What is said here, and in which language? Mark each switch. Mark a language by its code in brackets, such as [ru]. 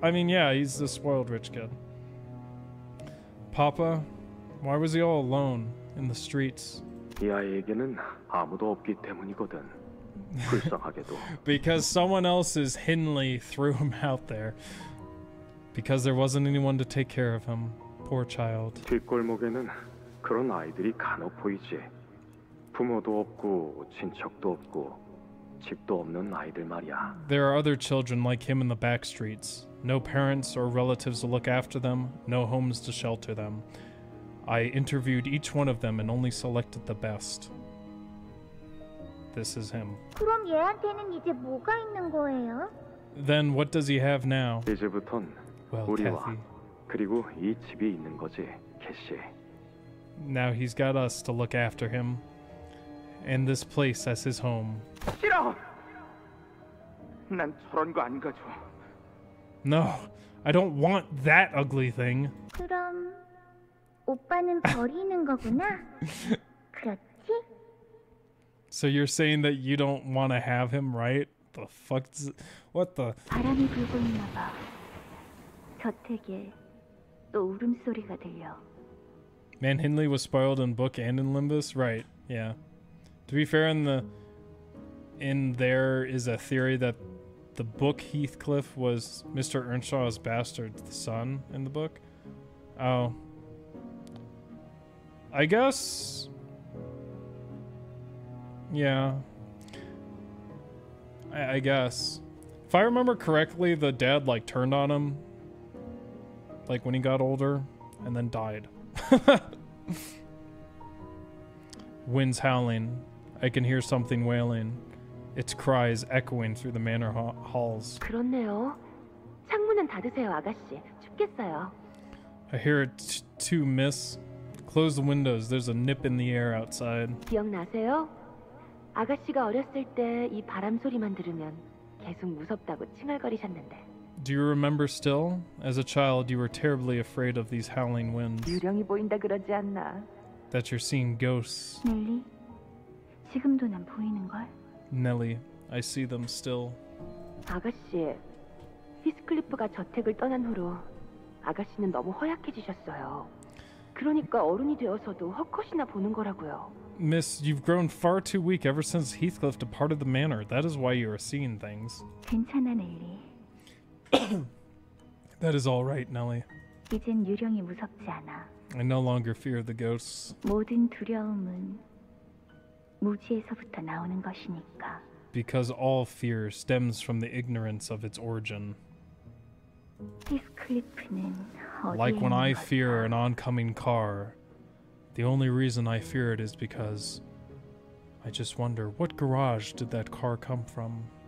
[en] I mean, yeah, he's the spoiled rich kid. Papa, why was he all alone in the streets? [ko] 이 아이에게는 아무도 없기 때문이거든. 불쌍하게도. [en] Because someone else's Henley threw him out there. Because there wasn't anyone to take care of him. Poor child. [ko] 뒷골목에는 그런 아이들이 간혹 보이지. 부모도 없고 친척도 없고 집도 없는 아이들 말이야. [en] There are other children like him in the back streets. no parents or relatives to look after them, no homes to shelter them. I interviewed each one of them and only selected the best. This is him. [ko] 그럼 얘한테는 이제 뭐가 있는 거예요? [en] Then what does he have now? [ko] 이제부턴 [en] well, [ko] 우리와 [en] Kathy. [ko] 그리고 이 집이 있는 거지, 캐시. [en] Now he's got us to look after him, and this place as his home. [ko] 싫어! 난 저런 거 안 가져와. [en] No, I don't want that ugly thing. [ko] 그럼 오빠는 버리는 거구나? 그렇지? [en] So you're saying that you don't want to have him, right? The fuck? What the? [ko] 바람이 불고 있나 봐. 저택에 또 울음소리가 들려. [en] Man, Hindley was spoiled in book and in Limbus? Right, yeah. To be fair, in there is a theory that the book Heathcliff was Mr. Earnshaw's bastard, the son, in the book. Oh. I guess... Yeah. I guess. If I remember correctly, the dad, like, turned on him. Like, when he got older. And then died. Winds howling. I can hear something wailing. Its cries echoing through the manor halls. [ko] 그렇네요. 창문은 닫으세요, 아가씨. 춥겠어요. [en] I hear it too, miss. Close the windows. There's a nip in the air outside. [ko] 기억나세요? 아가씨가 어렸을 때 이 바람 소리만 들으면 계속 무섭다고 칭얼거리셨는데. [en] Do you remember still? As a child, you were terribly afraid of these howling winds. [ko] 유령이 보인다 그러지 않나? [en] That you're seeing ghosts. [ko] Nelly, 지금도 난 보이는걸? [en] Nelly, I see them still. [ko] 아가씨, 히스클리프가 저택을 떠난 후로 아가씨는 너무 허약해지셨어요. 그러니까 어른이 되어서도 헛것이나 보는 거라고요. [en] Miss, you've grown far too weak ever since Heathcliff departed the manor. That is why you are seeing things. [ko] 괜찮아, Nelly. [en] That is all right, Nelly. [ko] 이젠 유령이 무섭지 않아. [en] I no longer fear the ghosts. [ko] 모든 두려움은 무지에서부터 나오는 것이니까. [en] Because all fear stems from the ignorance of its origin. [ko] Heathcliff는 [en] Like when I fear an oncoming car, the only reason I fear it is because I just wonder, what garage did that car come from?